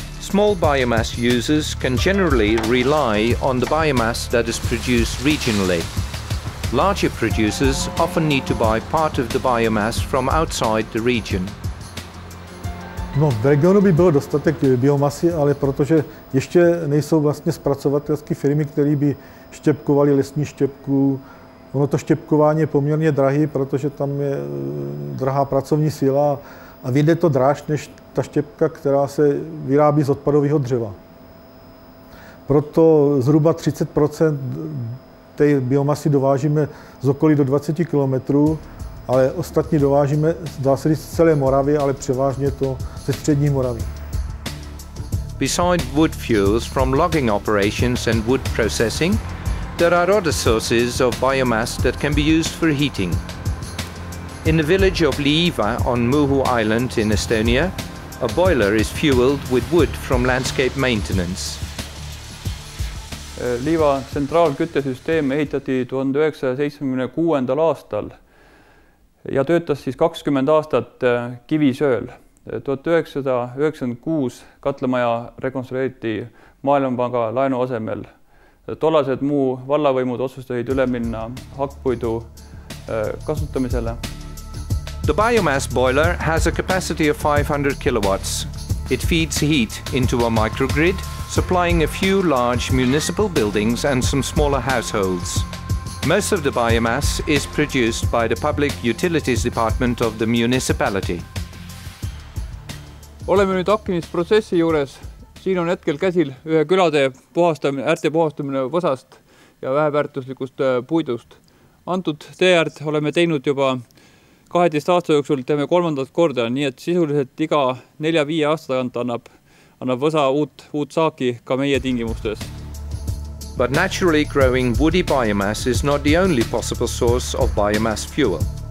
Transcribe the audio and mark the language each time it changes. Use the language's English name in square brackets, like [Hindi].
[English] Small biomass users can generally rely on the biomass that is produced regionally. Larger producers often need to buy part of the biomass from outside the region. [Czech] No, v regionu by bylo dostatek biomasy, ale protože ještě nejsou vlastně zpracovatelské firmy, které by štěpkovaly lesní štěpku. Ono to štěpkování je poměrně drahé, protože tam je drahá pracovní síla a vyjde to dráž než ta štěpka, která se vyrábí z odpadového dřeva. Proto zhruba 30% té biomasy dovážíme z okolí do 20 km, ale ostatní dovážíme z celé Moravy, ale převážně to ze střední Moravy. [English] Besides wood fuels from logging operations and wood processing, there are other sources of biomass that can be used for heating. In the village of Liiva on Muhu Island in Estonia, a boiler is fueled with wood from landscape maintenance. [Estonian] Liiva tsentraalküttesüsteem ehitati 1976. aastal ja töötas siis 20 aastat kivisööl. 1996 katlemaja rekonstrueeriti Maailmapanga laenu asemel. Tollased muu vallavõimud otsustasid üle minna hakkpuidu kasutamisele. [English] The biomass boiler has a capacity of 500 kilowatts. It feeds heat into a microgrid, supplying a few large municipal buildings and some smaller households. Most of the biomass is produced by the public utilities department of the municipality. [Estonian] Oleme nüüd hakkimisprotsessi juures. Siin on hetkel käsil ühe külade puhastamine, äärte puhastamine võsast ja väheväärtuslikust puidust. Antud teeäärt oleme teinud juba 12 aasta jooksul, teeme kolmandat korda, nii et sisuliselt iga 4-5 aasta tagant annab võsa uut saaki ka meie tingimustes. [English] But naturally growing woody biomass is not the only possible source of biomass fuel.